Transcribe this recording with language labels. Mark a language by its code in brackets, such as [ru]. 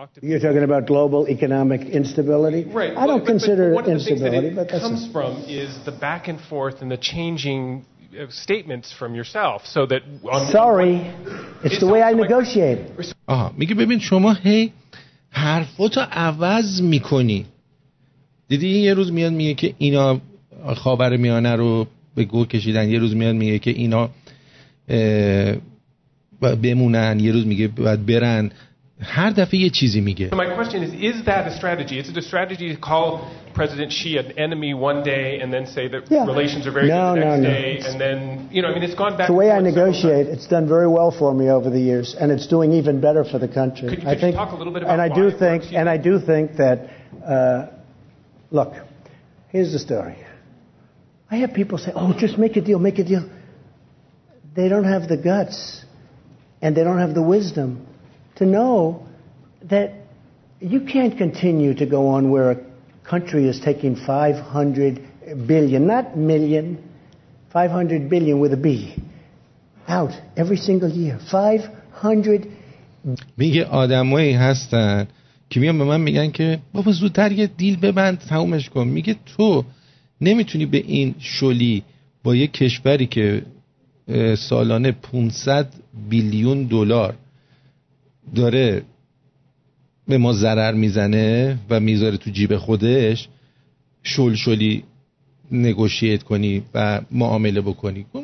[en] You're talking about global economic instability? Right. I don't consider it instability, but that's what it comes from, is the back and forth and the changing statements from yourself. So that on sorry, it's the way I negotiate. [fa] آها، میگه ببین شما هی حرفاتو عوض میکنی. دیدی این یه روز میاد میگه که اینا خاورمیانه رو به گو کشیدن، یه روز میاد میگه که اینا بمونن، یه روز میگه باید برن، هر دفعه یه چیزی میگه. [en] So my question is that a strategy? Is it a strategy to call President Xi an enemy one day and then say that yeah. relations are very no, good the next no, no. day and then, you know, I mean it's gone back. The way I negotiate, it's done very well for me over the years and it's doing even better for the country. Could you talk a little bit about and why I do think works, and I do think that look, here's the story. I have people say, oh, just make a deal, make a deal. They don't have the guts and they don't have the wisdom to know that you can't continue to go on where a country is taking 500 billion, not million, 500 billion with a B, out every single year. 500. [fa] میگه آدمایی هستن که میان به من میگن که بابا زودتر یه دیل ببند تمومش کن. میگه تو نمیتونی به این شلی با یه کشوری که سالانه 500 بیلیون دلار داره به ما ضرر میزنه و میذاره تو جیب خودش شلی نگوشیت کنی و معامله بکنی.